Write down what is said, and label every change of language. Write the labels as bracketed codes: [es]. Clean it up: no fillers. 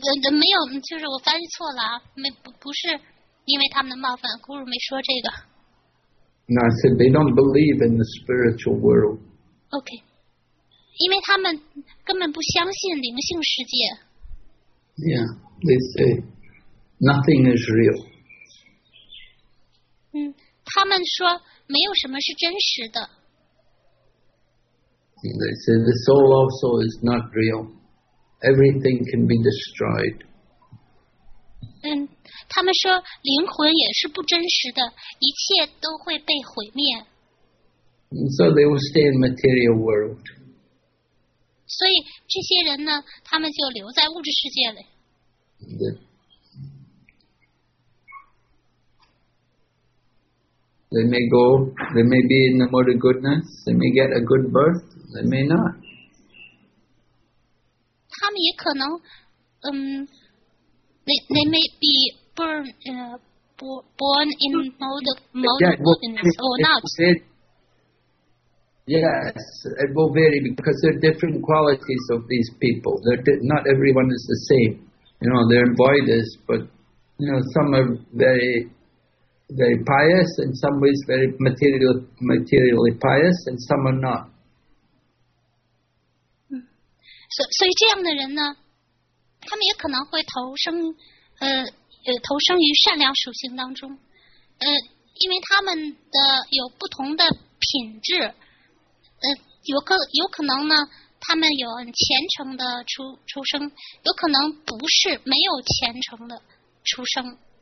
[zh] 没有，就是我翻译错了，不是因为他们的冒犯，古鲁没说这个。 [en] No, I said they don't believe in the spiritual world. [zh] OK， 因为他们根本不相信灵性世界。 [en] Yeah, they say nothing is real. [zh] 他们说没有什么是真实的。 [en] They say the soul also is not real. Everything can be destroyed. [zh] 他们说灵魂也是不真实的，一切都会被毁灭。 [en] So they will stay in the material world. [zh] 所以这些人呢，他们就留在物质世界里。 [en] They may go, they may be in the mode of goodness, they may get a good birth, they may not. [zh] 他们也可能， [en] they may be born in mode of goodness or not. Yes, it will vary because there are different qualities of these people. Not everyone is the same. You know, they're voidists, but you know, some are very, very pious, in some ways very materially pious, and some are not. [zh] So 这样的人呢，他们也可能会投生于善良属性当中，因为他们的有不同的品质。有可能呢，他们有很虔诚的出生，有可能不是没有虔诚的出生。